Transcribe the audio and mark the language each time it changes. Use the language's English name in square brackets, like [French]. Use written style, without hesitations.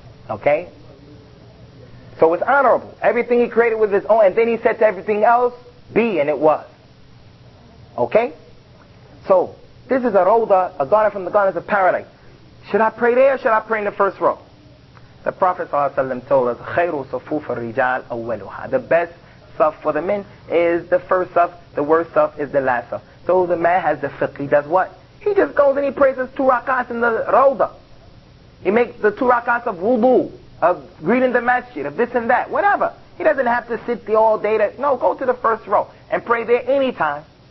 [English] Okay? So it's honorable. Everything He created with His own, and then He said to everything else, be, and it was. Okay? So, this is a Rawda, a garden from the gardens of paradise. Should I pray there or should I pray in the first row? The Prophet ﷺ told us, [Arabic] خَيْرُ صَفُوفَ الرِّجَالِ أَوَّلُهَا. [English] The best saf for the men is the first saf, the worst saf is the last saf. So the man has the fiqh, he does what? He just goes and he prays his two rakats in the rawda. He makes the two rakats of wudu, of greeting the masjid, of this and that, whatever. He doesn't have to sit there all day. No, go to the first row and pray there anytime.